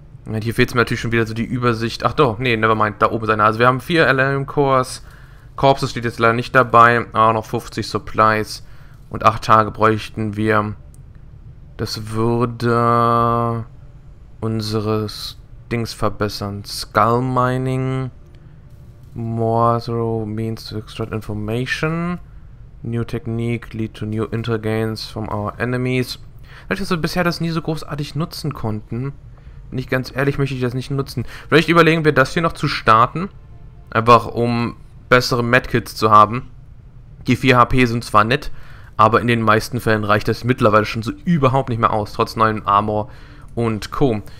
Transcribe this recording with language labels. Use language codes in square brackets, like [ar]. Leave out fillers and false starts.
[de] Ja, hier fehlt es mir natürlich schon wieder so die Übersicht. Ach doch, nee, nevermind, da oben ist einer. Also wir haben 4 LM Cores. Korps steht jetzt leider nicht dabei. Auch noch 50 Supplies. Und 8 Tage bräuchten wir. Das würde unseres Dings verbessern. [en] Skull Mining. More means to extract information. New technique lead to new intergains from our enemies. [de] Vielleicht, dass wir bisher das nie so großartig nutzen konnten. Bin ich ganz ehrlich, möchte ich das nicht nutzen. Vielleicht überlegen wir, das hier noch zu starten. Einfach, um bessere Medkits zu haben. Die 4 HP sind zwar nett, aber in den meisten Fällen reicht das mittlerweile schon so überhaupt nicht mehr aus, trotz neuen Armor und Co.